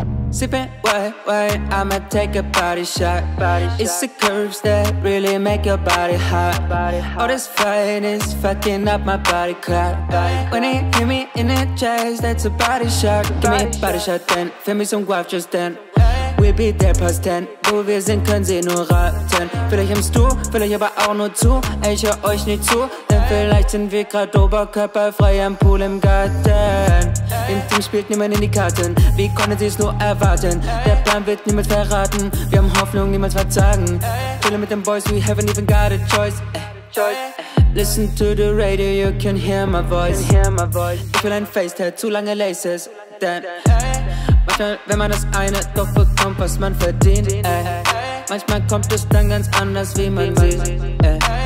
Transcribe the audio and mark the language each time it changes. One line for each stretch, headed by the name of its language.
English: Sippin' white wine, I'ma take a body shot. It's the curves that really make your body hot. All this fine is fucking up my body clock. When it hit me in the chest, that's a body shot. Give me a body shot then, feel me some guap just then. We'll be there past 10,
German: wo wir sind, können sie nur raten. Vielleicht hörst du, vielleicht aber auch nur zu. Ich hör euch nicht zu, denn vielleicht sind wir gerade oberkörperfrei am Pool im Garten. Im Team spielt niemand in die Karten, wie konnten sie es nur erwarten? Der Plan wird niemals verraten, wir haben Hoffnung, niemals verzagen. Fühle mit den Boys,
English: we haven't even got a choice. Listen to the radio, you can hear my voice.
German: Ich will ein Facetail, zu lange Laces, denn manchmal, wenn man das eine doch bekommt, was man verdient, ey. Manchmal kommt es dann ganz anders, wie man sieht, ey.